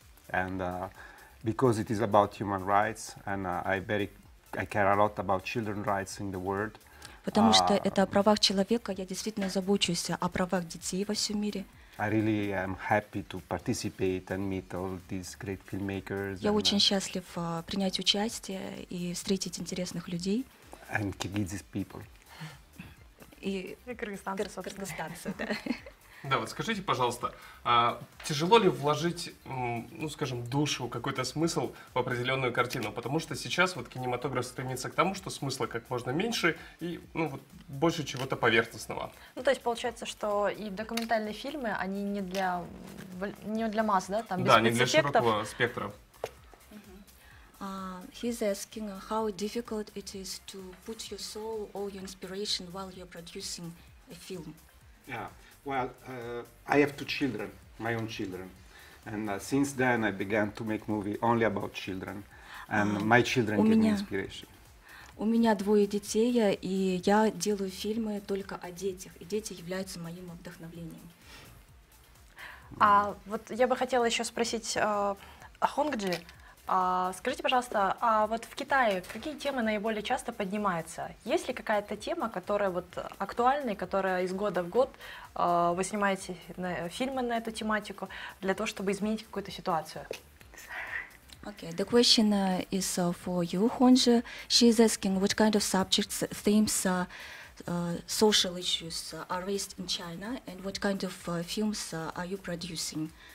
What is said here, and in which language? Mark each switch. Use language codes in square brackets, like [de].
[en] And because it is about human rights, and I care a lot about children's rights in the world. [ru] Потому что это о правах человека, я действительно забочусь о правах детей во всем мире. [en] I really am happy to participate and meet all these great filmmakers. [ru] Я очень счастлив принять участие и встретить интересных людей. [en] And Kyrgyz people. [ru] И кыргызстанцы, да. Да, вот скажите, пожалуйста, тяжело ли вложить, ну, скажем, душу, какой-то смысл в определенную картину? Потому что сейчас вот кинематограф стремится к тому, что смысла как можно меньше и, ну, вот больше чего-то поверхностного. Ну, то есть получается, что и документальные фильмы, они не для масс, да, там без спецэффектов. Да, не для широкого спектра. [en] He's asking how difficult it is to put your soul, all your inspiration while you're producing a film. Yeah. Well, I have two children, my own children, and since then I began to make movie only about children, and my children gave me inspiration. [ru] У меня двое детей, и я делаю фильмы только о детях, и дети являются моим вдохновением. А вот я бы хотела еще спросить Хонгджи, скажите, пожалуйста, а вот в Китае какие темы наиболее часто поднимаются? Есть ли какая-то тема, которая вот актуальна, которая из года в год вы снимаете фильмы на эту тематику для того, чтобы изменить какую-то ситуацию? [en] Okay, the question is for you, Хонджи. She is asking what kind of subjects, themes, social issues are raised in China and what kind of films are you producing?